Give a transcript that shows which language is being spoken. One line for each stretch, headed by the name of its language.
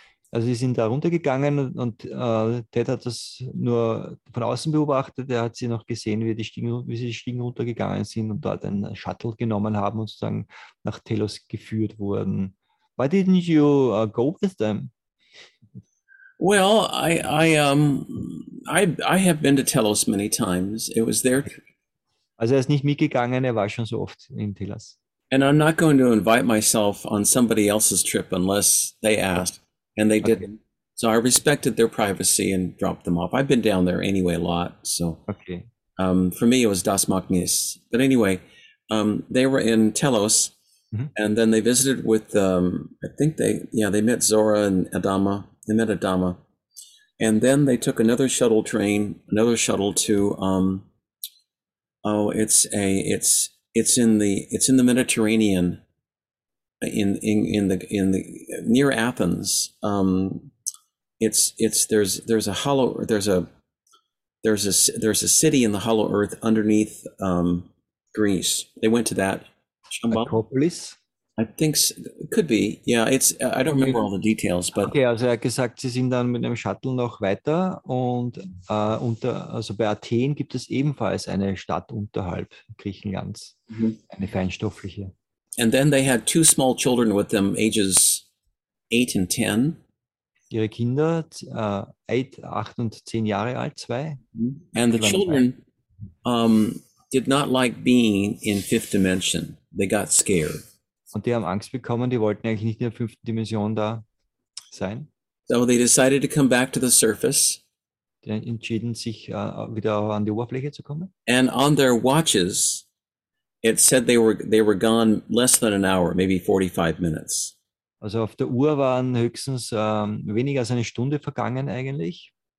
German: Also sie sind da runtergegangen und Ted hat das nur von außen beobachtet. Er hat sie noch gesehen, wie sie die Stiegen runtergegangen sind und dort einen Shuttle genommen haben und sozusagen nach Telos geführt wurden.
English: Why didn't you go with them? Well, I have been to Telos many times. It was there.
German: Also er ist nicht mitgegangen, er war schon so oft in Telos.
English: And I'm not going to invite myself on somebody else's trip unless they asked, and they didn't. Okay. So I respected their privacy and dropped them off. I've been down there anyway a lot, so. Okay. For me, it was Das Magnis. But anyway, they were in Telos, mm-hmm. and then they visited with, they met Zora and Adama. They met Adama, and then they took another shuttle to it's in the Mediterranean, in the near Athens. There's a city in the Hollow Earth underneath Greece. They went to that. Acropolis. I think it could be. Yeah, it's. I don't remember all the details, but.
German: Okay, also er hat gesagt, sie sind dann mit einem Shuttle noch weiter und bei Athen gibt es ebenfalls eine Stadt unterhalb Griechenlands, mm-hmm. eine feinstoffliche.
English: And then they had two small children with them, ages 8 and 10.
German: Ihre Kinder, 8 und 10 Jahre alt, zwei. Mm-hmm.
English: And the children did not like being in fifth dimension. They got scared.
German: Und die haben Angst bekommen, die wollten eigentlich nicht in der fünften Dimension da sein.
English: So they decided to come back to the surface.
German: Die entschieden sich, wieder an die Oberfläche zu kommen.
English: And on their watches, it said they were gone less than an hour, maybe 45 minutes.
German: Also auf der Uhr waren höchstens weniger als eine Stunde vergangen eigentlich.